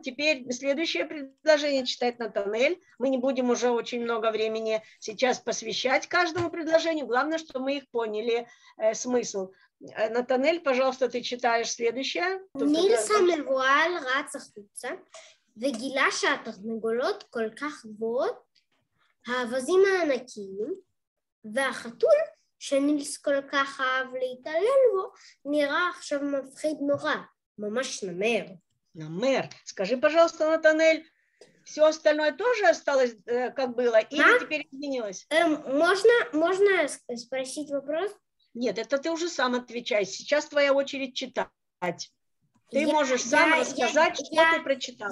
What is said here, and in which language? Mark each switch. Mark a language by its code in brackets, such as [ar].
[ru] Теперь следующее предложение читать Натанель. Мы не будем уже очень много времени сейчас посвящать каждому предложению. Главное, что мы их поняли смысл. Натанель, пожалуйста, ты читаешь следующее. [he] Нильс амевуал рацахуца. וגילה שהתרנגולות כל כך גבוהות, האווזים הענקיים, והחתול שנילס כל כך אהב להתעלל בו, נראה עכשיו מפחיד נורא, ממש נמר. נמר. [ru] Скажи, пожалуйста, Натанель, все остальное тоже осталось, как было, или теперь изменилось? Можно спросить вопрос? Нет, это ты уже сам отвечай. Сейчас твоя очередь читать. Ты можешь сам рассказать, что ты прочитал.